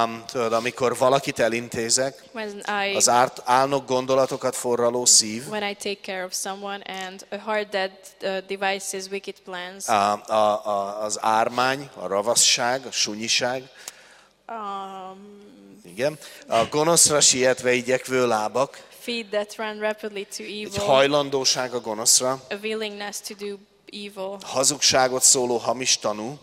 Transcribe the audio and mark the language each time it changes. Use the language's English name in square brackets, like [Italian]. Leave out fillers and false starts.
[Hungarian] Tudod, amikor valakit elintézek, az álnok gondolatokat forraló szív, [English] when I take care of someone and a heart that devises wicked plans, [Hungarian] az ármány, a ravasság, a sunyiság, igen, a gonoszra sietve igyekvő lábak, [English] feet that run rapidly to evil, [Hungarian] egy hajlandóság a gonoszra, [English] a willingness to do evil. [Hungarian] Hazugságot szóló hamis tanú.